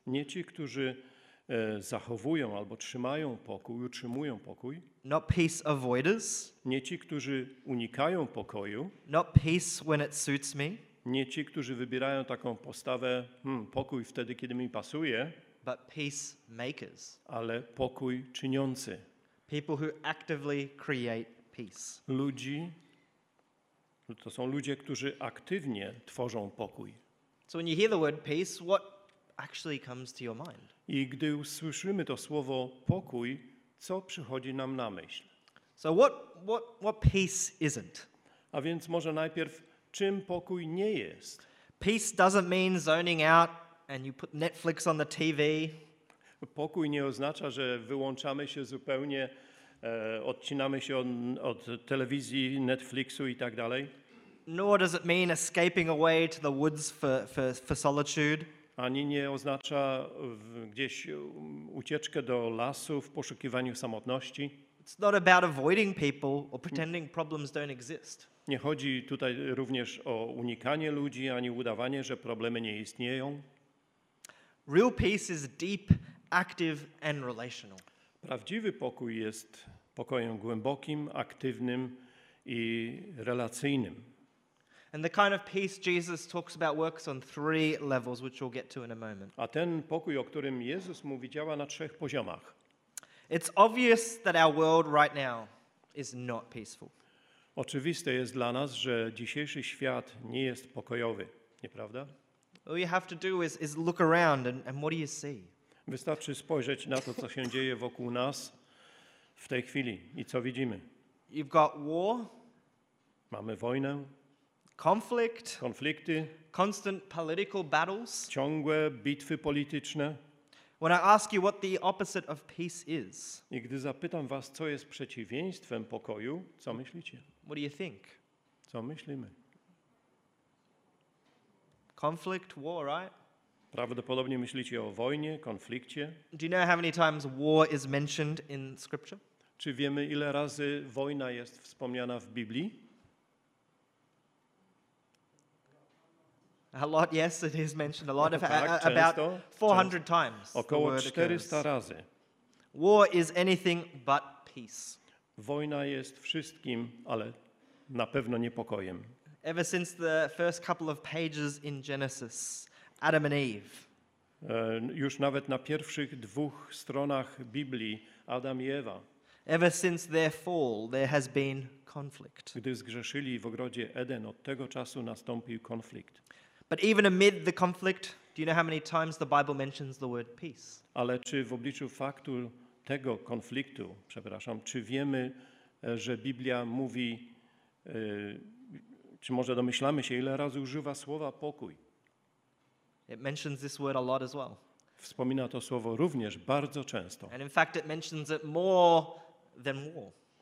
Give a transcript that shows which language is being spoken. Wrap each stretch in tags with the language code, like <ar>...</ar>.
<pl>Nie ci, którzy zachowują albo trzymają pokój, utrzymują pokój.</pl> <en>Not peace avoiders.</en> <pl>Nie ci, którzy unikają pokoju.</pl> <en>Not peace when it suits me.</en> <pl>Nie ci, którzy wybierają taką postawę, pokój wtedy, kiedy mi pasuje.</pl> <en>But peacemakers.</en> <pl>Ale pokój czyniący.</pl> <en>People who actively create peace.</en> <pl>Ludzi, to są ludzie, którzy aktywnie tworzą pokój.</pl> <en>So when you hear the word peace, what actually comes to your mind?</en> <pl>I gdy usłyszymy to słowo pokój, co przychodzi nam na myśl?</pl> <en>So what peace isn't?</en> <pl>A więc może najpierw, czym pokój nie jest?</pl> <en>Peace doesn't mean zoning out and you put Netflix on the TV.</en> <pl>Pokój nie oznacza, że wyłączamy się zupełnie, odcinamy się od telewizji, Netflixu i tak dalej.</pl> <en>Nor does it mean escaping away to the woods for solitude.</en> <pl>Ani nie oznacza gdzieś ucieczkę do lasu w poszukiwaniu samotności.</pl> <en>It's not about avoiding people or pretending problems don't exist.</en> <pl>Nie chodzi tutaj również o unikanie ludzi ani udawanie, że problemy nie istnieją.</pl> <en>Real peace is deep, active and relational.</en> <pl>Prawdziwy pokój jest pokojem głębokim, aktywnym i relacyjnym.</pl> <en>And the kind of peace Jesus talks about works on three levels, which we'll get to in a moment.</en> <pl>A ten pokój, o którym Jezus mówi, działa na trzech poziomach.</pl> <en>It's obvious that our world right now is not peaceful.</en> <pl>Oczywiste jest dla nas, że dzisiejszy świat nie jest pokojowy, nieprawda?</pl> <en>All you have to do is look around and what do you see?</en> <pl>Wystarczy spojrzeć na to, co się dzieje wokół nas w tej chwili i co widzimy.</pl> <en>You've got war.</en> <pl>Mamy wojnę.</pl> <en>Conflict.</en> <pl>Konflikty.</pl> <en>Constant political battles.</en> <pl>Ciągłe bitwy polityczne.</pl> <en>When I ask you what the opposite of peace is.</en> <pl>I gdy zapytam was, co jest przeciwieństwem pokoju, co myślicie?</pl> <en>What do you think?</en> <pl>Co myślimy?</pl> <en>Conflict, war, right?</en> <pl>Prawdopodobnie myślicie o wojnie, konflikcie.</pl> <en>Do you know how many times war is mentioned in scripture?</en> <pl>Czy wiemy, ile razy wojna jest wspomniana w Biblii?</pl> <en>A lot, yes, it is mentioned a lot, about 400 times.</en> <pl>Około 400 razy.</pl> <en>War is anything but peace.</en> <pl>Wojna jest wszystkim, ale na pewno niepokojem.</pl> <en>Ever since the first couple of pages in Genesis, Adam and Eve.</en> <pl>Już nawet na pierwszych dwóch stronach Biblii, Adam i Ewa.</pl> <en>Ever since their fall, there has been conflict.</en> <pl>Gdy zgrzeszyli w ogrodzie Eden, od tego czasu nastąpił konflikt.</pl> <en>But even amid the conflict, do you know how many times the Bible mentions the word peace?</en> <pl>Ale czy w obliczu faktu tego konfliktu, przepraszam, czy wiemy, że Biblia mówi, czy może domyślamy się, ile razy używa słowa pokój?</pl> <en>It mentions this word a lot as well.</en> <pl>Wspomina to słowo również bardzo często.</pl> <en>And in fact it mentions it more than war.</en>